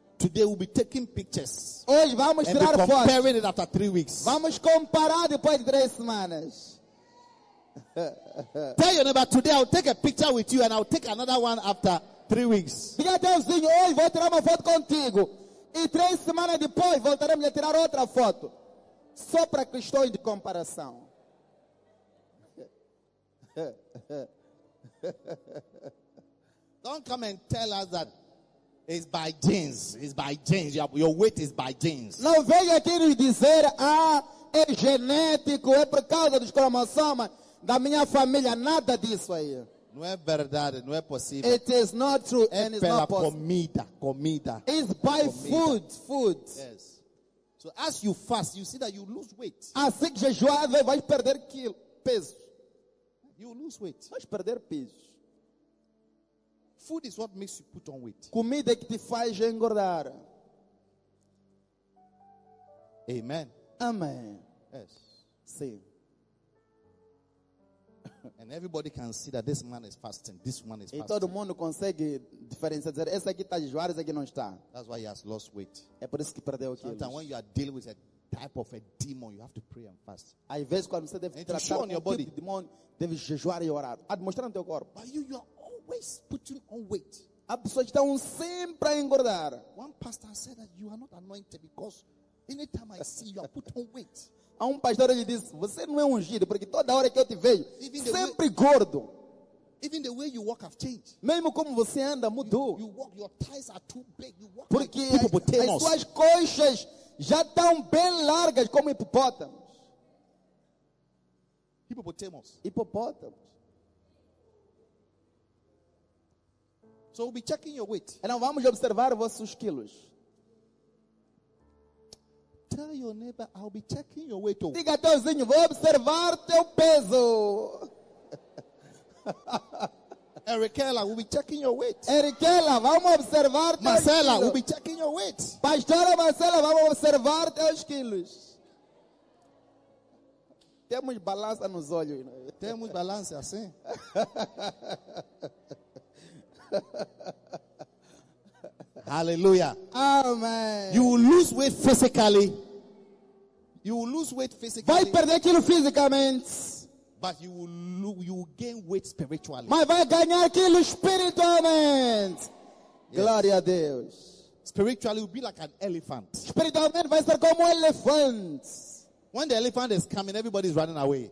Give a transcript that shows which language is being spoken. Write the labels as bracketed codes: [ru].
[en] Today we'll be taking pictures. [pt] Hoje vamos tirar fotos. [en] Comparing it after 3 weeks. [pt] Vamos comparar depois de 3 semanas. [en] Tell your neighbor, today I'll take a picture with you and I'll take another one after 3 weeks. [pt] Diga até o vizinho, hoje vou tirar uma foto contigo e 3 semanas depois voltaremos a tirar outra foto só para questões de comparação. [en] Don't come and tell us that it's by genes. It's by genes. Your weight is by genes. [pt] Não venha aqui nos dizer, é genético, é por causa dos cromossomos da minha família. Nada disso aí. Não é verdade, não é possível. [en] It is not true and it's not possible. [pt] É pela comida, comida. [en] It's by food, food. Yes. So as you fast, you see that you lose weight. [pt] Assim que jejuar, você vai perder peso. [en] You lose weight. [pt] Vais perder peso. [en] Food is what makes you put on weight. [pt] Comida que te faz engordar. [en] Amen. Amen. Yes. [pt] Sim. [en] And everybody can see that this man is fasting. This one is fasting. [pt] E todo mundo consegue diferenciar, dizer, esse aqui está jejuar, esse aqui não está. [en] That's why he has lost weight. [pt] É por isso que perdeu quilos. [en] Sometimes when you are dealing with a type of a demon, you have to pray and fast. [pt] Às vezes quando você deve tratar o tipo de demônio, deve jejuar e orar. A demonstrar no teu corpo. [en] But you are always putting on weight. [pt] A pessoa está sempre a engordar. [en] One pastor said that you are not anointed because anytime I see you, I put on weight. [pt] Há pastor que disse, você não é ungido, porque toda hora que eu te vejo, sempre [en] way, [pt] gordo. [en] Even the way you walk have changed. [pt] Mesmo como você anda, mudou. [en] You walk, your thighs are too big. You walk [pt] porque [en] like [pt] as suas coxas já estão bem largas como hipopótamos. Hipopótamos. Hipopótamos. [en] So we'll be checking your weight. [pt] Então vamos observar vossos quilos. [en] tell your neighbor, I'll be checking your weight. [pt] Diga teu vizinho, vou observar teu peso. [en] Erikela, we'll be checking your weight. [pt] Erikela, vamos observar teus quilos. [en] Marcela, we'll be checking your weight. [pt] Pastora Marcela, vamos observar teus quilos. Temos balança nos olhos. Né? Temos balança, assim. [en] Hallelujah. Amen. You will lose weight physically. You will lose weight physically. [pt] Vai perder aquilo fisicamente. [en] But you will gain weight spiritually. [pt] Mas vai ganhar aquilo espiritualmente. [en] Yes. [pt] Glória a Deus. [en] Spiritually, you'll be like an elephant. [pt] Espiritualmente, vai ser como um elefante. [en] When the elephant is coming, everybody's running away.